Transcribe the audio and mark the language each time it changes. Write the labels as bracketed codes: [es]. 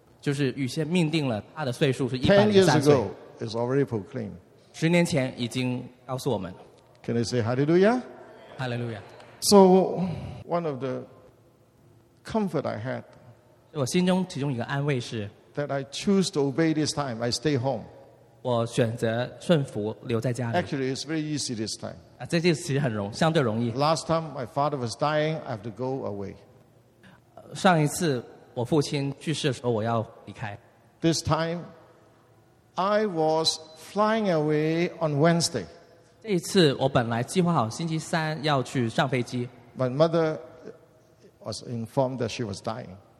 [zh] 就是预先命定了她的岁数是103岁. [en] 10 years ago, it's already proclaimed. [zh] 10年前已经告诉我们. [en] Can I say hallelujah? Hallelujah. So, one of the comfort I had, [zh] 我心中其中一个安慰是, [en] that I choose to obey this time, I stay home. [zh] 我选择顺服留在家里. [en] Actually, it's very easy this time. [zh] 这次其实很容易，相对容易. [en] Last time my father was dying, I have to go away. [zh] 上一次我父亲去世的时候，我要离开. [en] This time, I was flying away on Wednesday. [zh] 这一次我本来计划好星期三要去上飞机. [en] My mother was informed that she was dying.